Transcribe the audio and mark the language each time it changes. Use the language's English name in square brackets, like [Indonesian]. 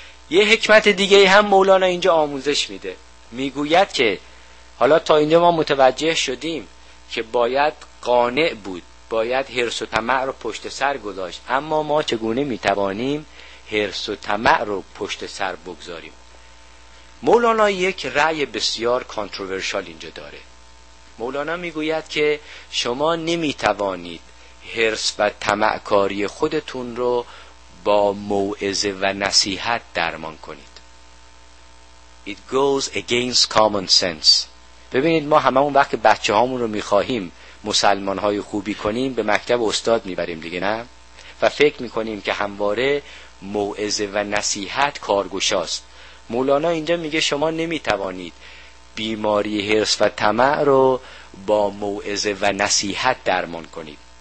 [Persian] یه حکمت دیگه هم مولانا اینجا آموزش میده، میگوید که حالا تا اینجا ما متوجه شدیم که باید قانع بود، باید حرص و طمع رو پشت سر گذاشت، اما ما چگونه میتوانیم حرص و طمع رو پشت سر بگذاریم؟ مولانا یک رأی بسیار کانتروورشال اینجا داره. مولانا میگوید که شما نمیتوانید حرص و طمع کاری خودتون رو با موعظه و نصیحت درمان کنید. [English] It goes against common sense. [Persian] ببینید ما هممون وقت بچه هامون رو میخواهیم مسلمان های خوبی کنیم به مکتب استاد میبریم دیگه، نه؟ و فکر میکنیم که همواره موعظه و نصیحت کارگشاست. مولانا اینجا میگه شما نمیتوانید بیماری حرص و طمع رو با موعظه و نصیحت درمان کنید.